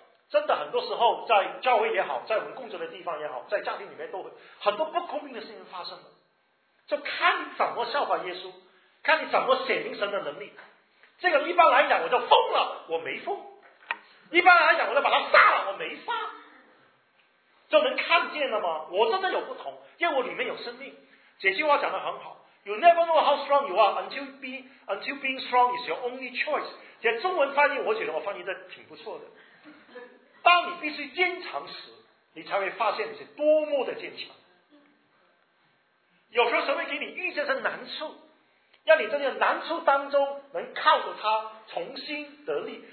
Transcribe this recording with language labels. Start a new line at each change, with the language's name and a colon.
Chinese: 真的很多时候在教会也好，在我们工作的地方也好，在家庭里面都会很多不公平的事情发生了，就看你怎么效仿耶稣，看你怎么显明神的能力。这个一般来讲我就疯了，我没疯，一般来讲我就把他杀了，我没杀，就能看见了吗？我真的有不同，因为我里面有生命。这句话讲得很好，
English: You never know how strong you are until being strong is your only choice。
Chinese: 这中文翻译我觉得我翻译的挺不错的，当你必须坚强时，你才会发现你是多么的坚强。有时候神会给你遇见的难处，让你在这个难处当中能靠着他重新得力。